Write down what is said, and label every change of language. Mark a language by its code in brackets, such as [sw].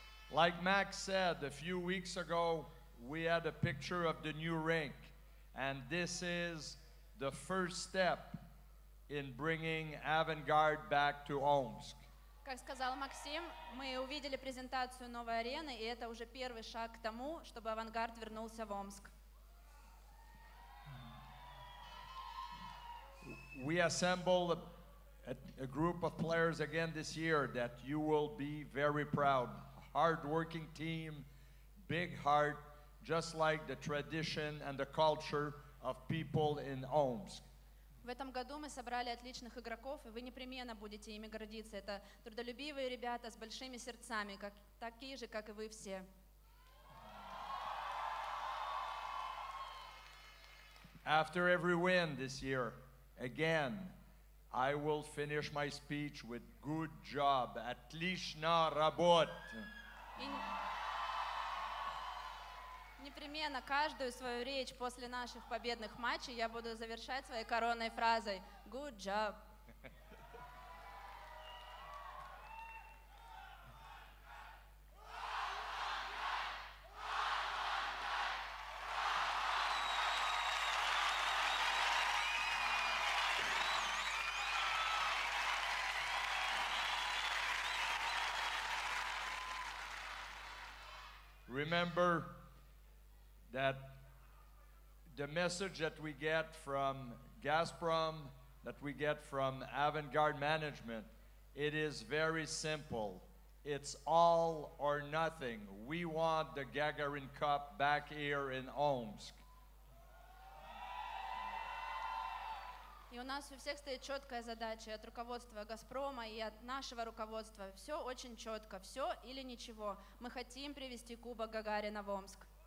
[en] Like Max said a few weeks ago, we had a picture of the new rink, and this is the first step in bringing Avangard back to Omsk. [ru] Как сказал Максим, мы увидели презентацию новой арены, и это уже первый шаг к тому, чтобы Авангард вернулся в Омск. [en] We assembled a group of players again this year that you will be very proud. Hard-working team, big heart, just like the tradition and the culture of people in Omsk. [ru] В этом году мы собрали отличных игроков, и вы непременно будете ими гордиться. Это трудолюбивые ребята с большими сердцами, как, такие же, как и вы все. [en] After every win this year, again, I will finish my speech with good job, [ru] отлично работ. Непременно каждую свою речь после наших победных матчей я буду завершать своей коронной фразой [en] «Good job!». Remember that the message that we get from Gazprom, that we get from Avangard management, it is very simple. It's all or nothing. We want the Gagarin Cup back here in Omsk. [ru] И у нас у всех стоит четкая задача от руководства «Газпрома» и от нашего руководства. Все очень четко, все или ничего. Мы хотим привести Кубок Гагарина в Омск.